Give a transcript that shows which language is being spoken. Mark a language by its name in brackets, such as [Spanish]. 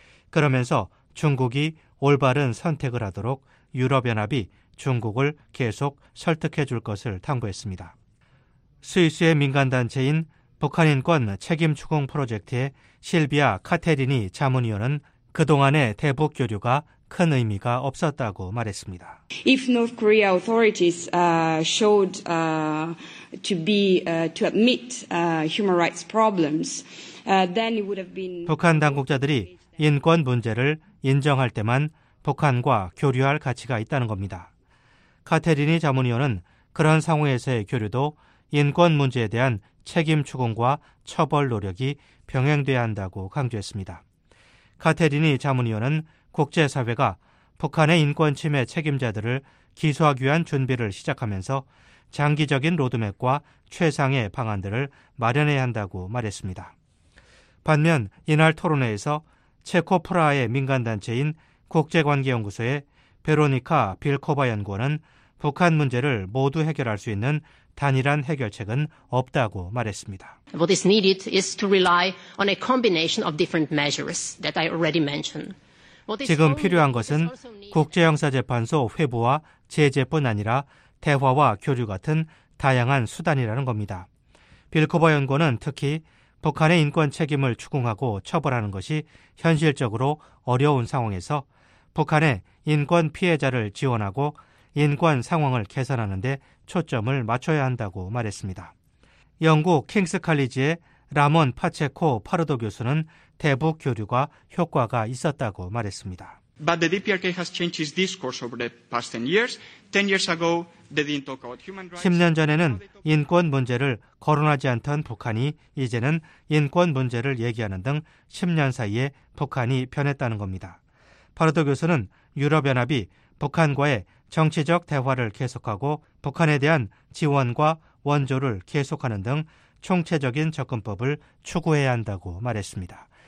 [Korean] 그러면서 중국이 올바른 선택을 하도록 유럽연합이 중국을 계속 설득해 줄 것을 당부했습니다. 스위스의 민간단체인 북한인권 책임추궁 프로젝트의 실비아 카테리니 자문위원은 그동안의 대북 교류가 큰 의미가 없었다고 말했습니다. [English] If North Korea authorities showed to be to admit human rights problems, then it would have been [Korean] 북한 당국자들이 인권 문제를 인정할 때만 북한과 교류할 가치가 있다는 겁니다. 카테리니 자문위원은 그런 상황에서의 교류도 인권 문제에 대한 책임 추궁과 처벌 노력이 병행돼야 한다고 강조했습니다. 카테리니 자문위원은 국제사회가 북한의 인권 침해 책임자들을 기소하기 위한 준비를 시작하면서 장기적인 로드맵과 최상의 방안들을 마련해야 한다고 말했습니다. 반면 이날 토론회에서 체코 프라하의 민간단체인 국제관계연구소의 베로니카 빌코바 연구원은 북한 문제를 모두 해결할 수 있는 단일한 해결책은 없다고 말했습니다. [English] What is needed is to rely on a combination of different measures that I already mentioned. [Korean] 지금 필요한 것은 국제형사재판소 회부와 제재뿐 아니라 대화와 교류 같은 다양한 수단이라는 겁니다. 빌코버 연구원은 특히 북한의 인권 책임을 추궁하고 처벌하는 것이 현실적으로 어려운 상황에서 북한의 인권 피해자를 지원하고 인권 상황을 개선하는 데 초점을 맞춰야 한다고 말했습니다. 영국 킹스칼리지의 라몬 파체코 파르도 교수는 대북 교류가 효과가 있었다고 말했습니다. [English] But the DPRK has changed its discourse over the past 10 years. 10 years ago, they didn't talk about human rights. [Korean] 10년 전에는 인권 문제를 거론하지 않던 북한이 이제는 인권 문제를 얘기하는 등 10년 사이에 북한이 변했다는 겁니다. 파르도 교수는 유럽연합이 북한과의 정치적 대화를 계속하고 북한에 대한 지원과 원조를 계속하는 등 총체적인 접근법을 추구해야 한다고 말했습니다.